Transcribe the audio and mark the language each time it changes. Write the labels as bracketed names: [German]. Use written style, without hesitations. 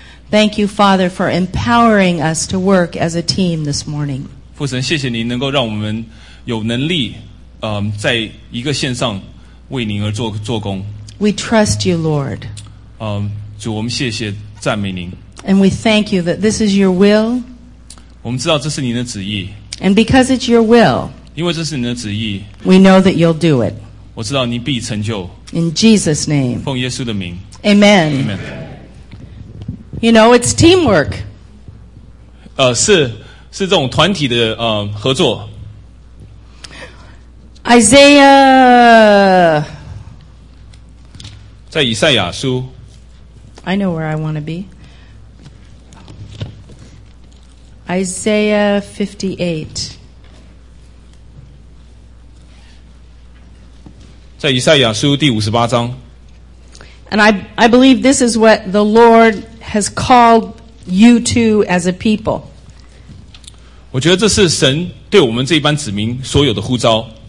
[English] Thank you, Father, for empowering us to work as a team this morning. [Chinese] 父神，谢谢您能够让我们有能力，在一个线上为您而做工。 [English] We trust you, Lord. [Chinese] 主，我们谢谢赞美您。 [English] And we thank you that this is your will. [Chinese] 我们知道这是您的旨意。 [English] And because it's your will, [Chinese] 因为这是您的旨意。 [English] We know that you'll do it. [Chinese] 我知道您必成就。 [English] In Jesus' name. [Chinese] 奉耶稣的名。 [English] Amen. Amen. You know, it's teamwork. [Chinese] 是这种团体的合作。 [English] Isaiah. [Chinese] 在以赛亚书。 [English] I know where I want to be. Isaiah 58. [Chinese] 在以赛亚书第五十八章。 [English] And I believe this is what the Lord has called you to as a people. [Chinese] 我觉得这是神对我们这一班子民所有的呼召。